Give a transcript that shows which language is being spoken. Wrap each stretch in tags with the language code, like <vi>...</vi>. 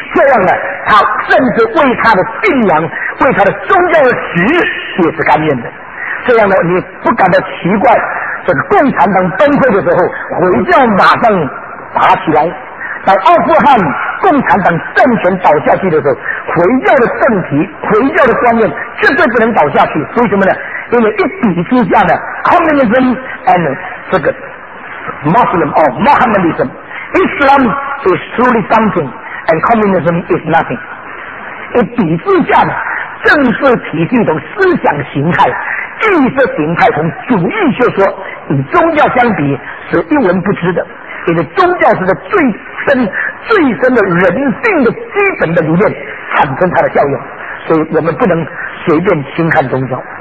<zh>这样呢，他甚至为他的信仰、为他的宗教的死也是甘愿的。这样呢，你不感到奇怪，这个共产党崩溃的时候，回教马上爬起来。在阿富汗共产党政权倒下去的时候，回教的政体、回教的观念绝对不能倒下去。为什么呢？因为一比之下呢</zh> <en>，Communism and</en> <zh>这个</zh> <en>Muslim or Mohammedism， Islam is truly something and Communism is nothing。</en> <zh>一比之下呢，政治体系从思想形态、意识形态从主义学说与宗教相比是一文不值的，因为宗教是在最深的人性的基本的理念产生它的效用，所以我们不能随便轻看宗教。</zh>